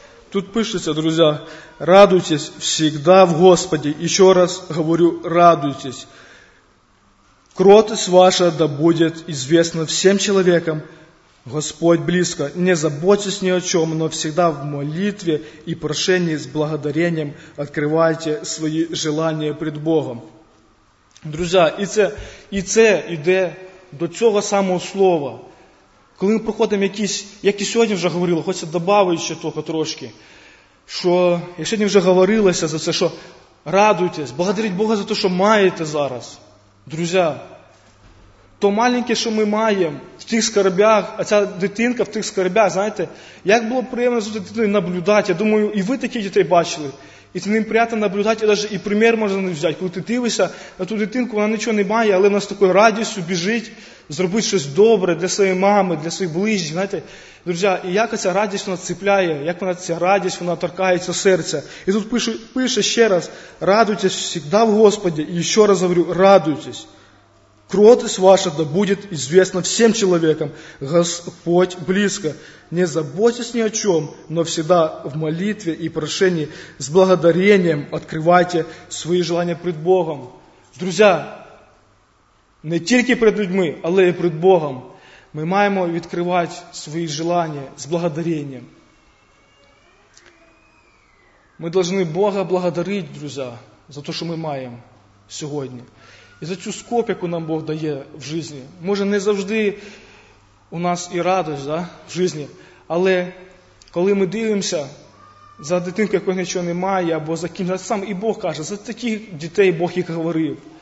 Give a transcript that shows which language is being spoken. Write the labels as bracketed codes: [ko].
[uk] Тут пишеться, друзі, радуйтесь [ru] всегда [uk] в Господі. І ще раз говорю, радуйтесь. [ru] Кротость ваша да буде известна [uk] всім чоловікам. [ru] Господь близко, не заботьтесь ни о чем, но всегда в молитве и прошении с благодарением открывайте свои желания пред Богом. [uk] Друзья, и це йде до цього самого слова. Коли ми проходимо якісь, як і сьогодні вже говорили, хочеться додати ще того трошки, що, як сьогодні вже говорилося за це, що радуйтесь, благодаріть Бога за те, що маєте зараз. Друзі, то маленьке, що ми маємо в тих скарбях, а ця дитинка в тих скарбях, знаєте, як було приємно за дитиною наблюдати. Я думаю, і ви таких дітей бачили. І це ним приємно наблюдати, і навіть і примір можна не взяти. Коли ти дивишся на ту дитинку, вона нічого не має, але вона з такою радістю біжить зробити щось добре для своєї мами, для своїх ближніх, знаєте. Друзі, і як ця радість вона цепляє, як вона ця радість, вона торкається серця. І тут пише ще раз, радуйтесь завжди в Господі, і ще раз говорю, радуйтесь. [ru] Кротость ваша да будет известна всем человекам. Господь близко. Не заботьтесь ни о чем, но всегда в молитве и прошении с благодарением открывайте свои желания пред Богом. Друзья, не только пред людьми, але и пред Богом. Мы [uk] маємо відкривати [ru] свои желания с благодарением. Мы должны Бога благодарить, друзья, за то, что мы [uk] маємо сьогодні. І за цю скопь, яку нам Бог дає в житті. Може, не завжди у нас і радость, да, в житті. Але коли ми дивимося за дитинкою, якої нічого немає, або за кимось, сам і Бог каже, за таких дітей Бог їх говорив.